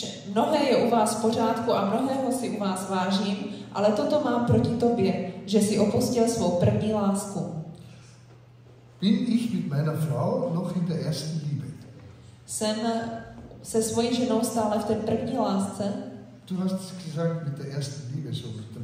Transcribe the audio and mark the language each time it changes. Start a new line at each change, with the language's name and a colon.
Czech: Mnohé je u vás v pořádku a mnohého si u vás vážím, ale toto mám proti tobě, že si opustil svou první lásku.
German: Bin ich mit meiner Frau noch in der ersten Liebe?
Czech: Jsem se svojí ženou stále v té první lásce?
German: Du hast gesagt mit der ersten Liebe so.